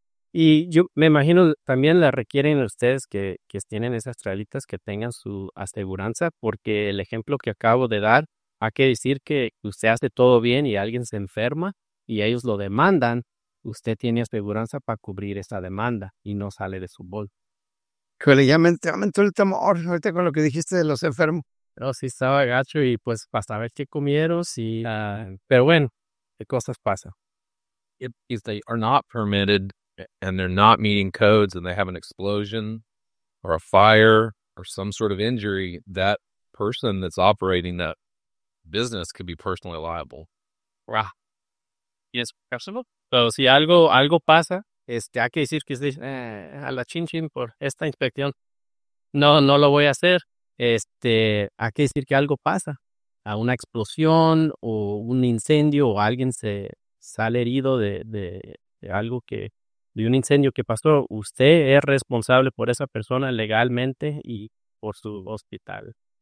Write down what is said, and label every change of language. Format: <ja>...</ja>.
<es>Y yo me imagino también la requieren ustedes que tienen esas trailitas, que tengan su aseguranza, porque el ejemplo que acabo de dar, hay que decir que usted hace todo bien y alguien se enferma y ellos lo demandan, usted tiene aseguranza para cubrir esa demanda y no sale de su bol. Joder, ya me entró el temor ahorita con lo que dijiste de los enfermos. Pero sí estaba gacho y pues para saber qué comieron, sí. Pero bueno, qué cosas pasan.</es> <en>If they are not permitted and they're not meeting codes and they have an explosion or a fire or some sort of injury, that person that's operating that business could be personally liable.</en> <es>Wow. ¿Y es personal? Pero si algo pasa, hay que decir que es a la chin por esta inspección. No lo voy a hacer. Hay que decir que algo pasa, a una explosión o un incendio o alguien se sale herido de algo que, de un incendio que pasó, usted es responsable por esa persona legalmente y por su hospital.</es>